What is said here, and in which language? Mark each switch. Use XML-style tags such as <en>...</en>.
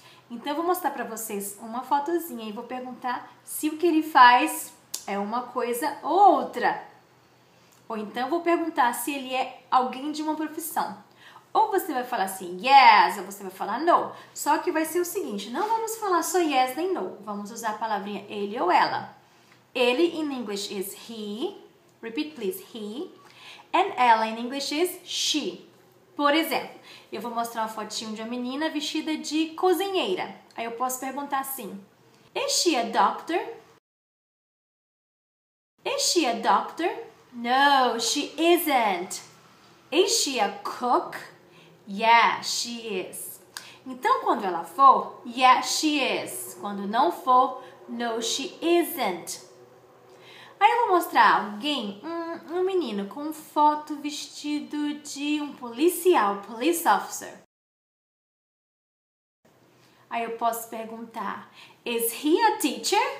<pt>Então eu vou mostrar para vocês uma fotozinha e vou perguntar se o que ele faz é uma coisa ou outra. Ou então vou perguntar se ele é alguém de uma profissão. Ou você vai falar assim, yes, ou você vai falar no. Só que vai ser o seguinte, não vamos falar só yes nem no. Vamos usar a palavrinha ele ou ela.</pt> <en>Ele in English is he. Repeat, please, he. And ela in English is she.</en> <pt>Por exemplo, eu vou mostrar uma fotinho de uma menina vestida de cozinheira. Aí eu posso perguntar assim,</pt> <en>is she a doctor? Is she a doctor? No, she isn't. Is she a cook? Yeah, she is.</en> <pt>Então, quando ela for,</pt> <en>yeah, she is.</en> <pt>Quando não for,</pt> <en>no, she isn't.</en> <pt>Aí eu vou mostrar alguém, um menino com foto vestido de um policial, police officer. Aí eu posso perguntar,</pt> <en>is he a teacher?</en>